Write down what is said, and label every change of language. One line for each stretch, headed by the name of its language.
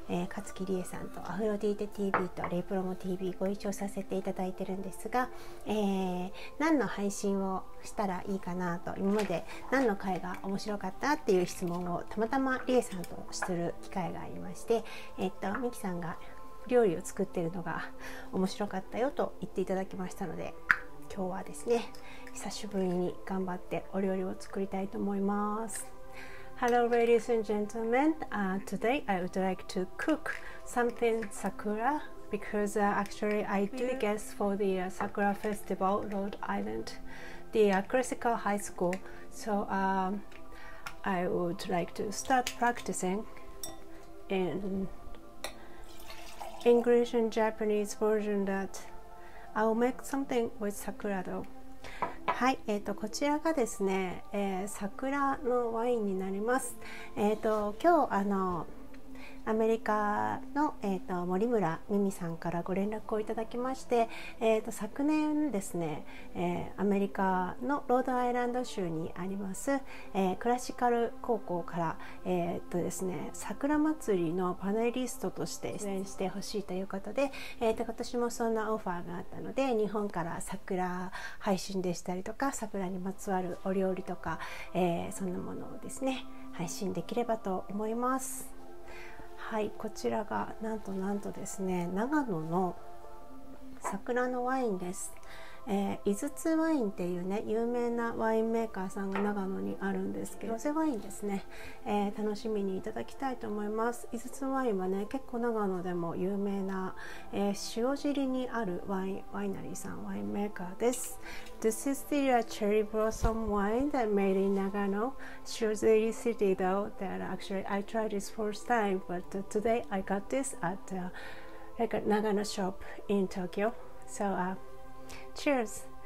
Japanese: 勝木理恵さんとアフロディーテ TV とレイプロム TV ご一緒させていただいてるんですが、何の配信をしたらいいかなと、今まで何の回が面白かったっていう質問をたまたま理恵さんとする機会がありまして、美希さんが料理を作ってるのが面白かったよと言っていただきましたので、今日はですね、久しぶりに頑張ってお料理を作りたいと思います。
English: Hello ladies and gentlemen、today I would like to cook something sakura because、actually I did guest for the、sakura festival Rhode Island the、classical high school so、I would like to start practicing in English and Japanese version thatI'll make something with sakura though.
Japanese: はい、こちらがですね、桜のワインになります。今日アメリカの、森村美美さんからご連絡をいただきまして、昨年ですね、アメリカのロードアイランド州にあります、クラシカル高校から、ですね、桜祭りのパネリストとして出演してほしいということで、今年もそんなオファーがあったので、日本から桜配信でしたりとか、桜にまつわるお料理とか、そんなものをですね、配信できればと思います。はい、こちらがなんとですね、長野の桜のワインです。井筒ワインっていうね、有名なワインメーカーさんが長野にあるんですけど、ロゼワインですね。楽しみにいただきたいと思います。井筒ワインはね、結構長野でも有名な、塩尻にあるワイナリーさんワインメーカーです。
English: This is the cherry blossom wine that made in Nagano 塩尻 city though that actually I tried this first time but today I got this at like a Nagano shop in Tokyo so Cheers!